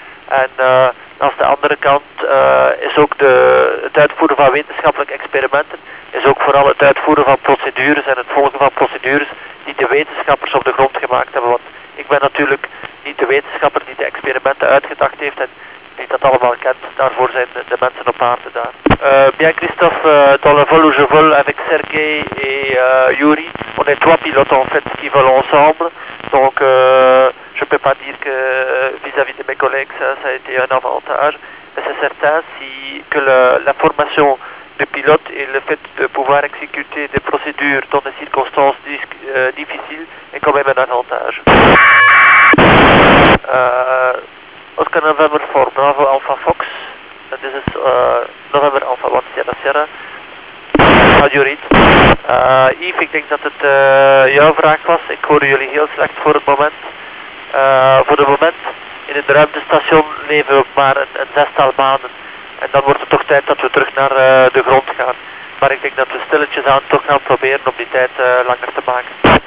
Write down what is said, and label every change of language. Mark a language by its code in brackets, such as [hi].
[nl] En aan de andere kant is ook het uitvoeren van wetenschappelijke experimenten, is ook vooral het uitvoeren van procedures en het volgen van procedures die de wetenschappers op de grond gemaakt hebben. Want ik ben natuurlijk niet de wetenschapper die de experimenten uitgedacht heeft en die dat allemaal kent. Daarvoor zijn de mensen op aarde daar. [fr] Bien Christophe, dans le vol où je vole avec Sergei et Yuri, on est 3 pilotes en fait qui volent ensemble. Donc je ne peux pas dire que vis-à-vis de mes collègues ça a été un avantage. Mais c'est certain que la formation de pilote et le fait de pouvoir exécuter des procédures dans des circonstances difficiles est quand même un avantage. [en] Oscar November 4, Bravo Alpha Fox. This is November Alpha 1, Sierra Sierra. Radio Reed. [nl] Yves, ik denk dat het jouw vraag was. Ik hoorde jullie heel slecht voor het moment. Voor het moment, in het ruimtestation leven we maar een zestal maanden. En dan wordt het toch tijd dat we terug naar de grond gaan. Maar ik denk dat we stilletjes aan toch gaan proberen om die tijd langer te maken.